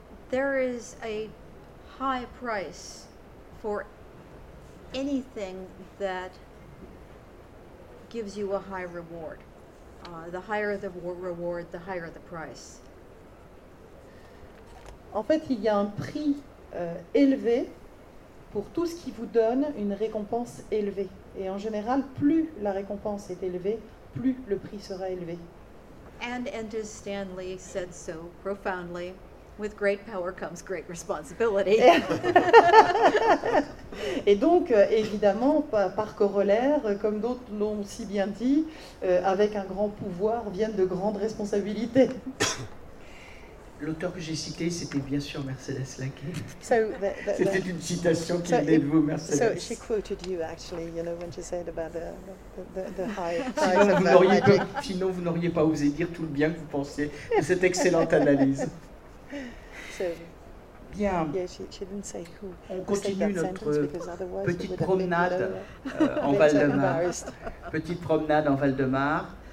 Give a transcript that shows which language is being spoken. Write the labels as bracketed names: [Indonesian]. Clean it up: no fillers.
[English] There is a high price for anything that gives you a high reward. The higher the reward, the higher the price. [French] En fait, il y a un prix élevé pour tout ce qui vous donne une récompense élevée. Et en général, plus la récompense est élevée, plus le prix sera élevé. [English] And Andrew Stanley said so profoundly, with great power comes great responsibility. [French] Et donc, évidemment, par corollaire, comme d'autres l'ont si bien dit, avec un grand pouvoir viennent de grandes responsabilités. L'auteur que j'ai cité, c'était bien sûr Mercedes Lacquet. [English] So [French] c'était une citation qui venait de vous, Mercedes. [English] So she quoted you actually, you know, when she said about the high. [French] Sinon, vous n'auriez pas osé dire tout le bien que vous pensez de cette excellente analyse. [English] So, [French] bien. [English] Yeah, she didn't say who. [French] On continue notre petite promenade en Val-de-Marne. Petite promenade en Val-de-Marne.